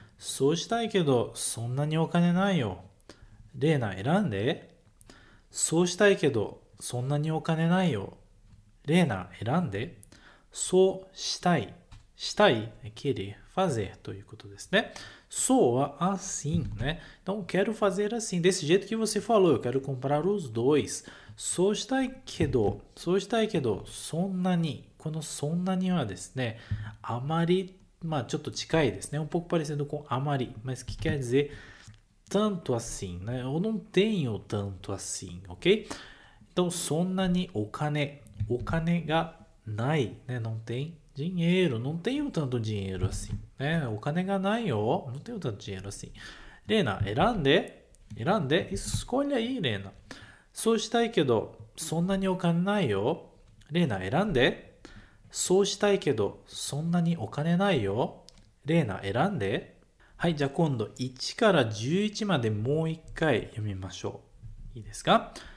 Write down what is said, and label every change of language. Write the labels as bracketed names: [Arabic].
[Japanese] そうしたいけど、そんなにお金ないよ。レイナ選んで。そうしたいけどそんなにお金ないよ。レイナ選んで。そうしたい。したい。 [Portuguese] querer fazer [Japanese] ということですね。そうは assim, ね。 [Portuguese] Então quero fazer assim. Desse jeito que você falou. Eu quero comprar os dois. [Japanese] そうしたいけど。そうしたいけどそんなに。このそんなにはですね。あまり、まあちょっと近いですね。 [Portuguese] Um pouco parecendo com あまり。 Mas que quer dizer? Tanto assim, né? Eu não tenho tanto assim, ok? [Japanese] Então, そんなにお金、お金がない、né? [Portuguese] Não tem dinheiro, não tenho tanto dinheiro assim, né? [Japanese] お金がないよ、 [Portuguese] não tenho tanto dinheiro assim. [Japanese] レナ、選んで、選んで、 [Portuguese] escolhe aí, [Japanese] レナ。そうしたいけど、そんなにお金ないよ。レナ、選んで、そうしたいけど、そんなにお金ないよ。レナ、選んで、はい、じゃあ今度1から11までもう一回読みましょう。いいですか？